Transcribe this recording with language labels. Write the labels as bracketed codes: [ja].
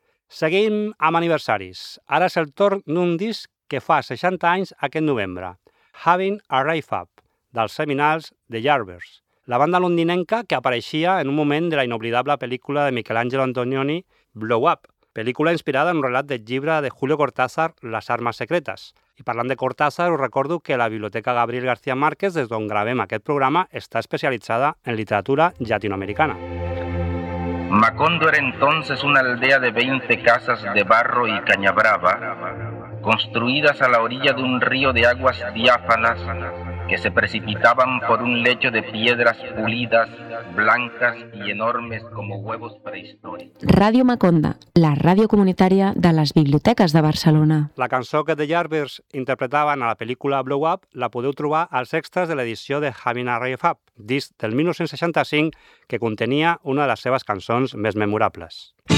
[ca] Seguim amb aniversaris. Ara és el torn d'un disc que fa 60 anys aquest novembre, Having a Rave Up, dels seminals The Yardbirds, la banda londinenca que apareixia en un moment de la inoblidable pel·lícula de Michelangelo Antonioni, Blow Up, pel·lícula inspirada en un relat del llibre de Julio Cortázar, Les armes secretes. I parlant de Cortázar, us recordo que la Biblioteca Gabriel García Márquez, des d'on gravem aquest programa, està especialitzada en literatura llatinoamericana. [es] Macondo era entonces una aldea de 20 casas de barro y caña brava, construidas a la orilla de un río de aguas diáfanas que se precipitaban por un lecho de piedras pulidas, blancas y enormes como huevos prehistóricos. [ca] Ràdio Maconda, la ràdio comunitària de les biblioteques de Barcelona. La cançó que The Yardbirds interpretaven a la pel·lícula Blow Up la podeu trobar als extras de l'edició de Having a Rave Up, disc del 1965, que contenia una de les seves cançons més memorables.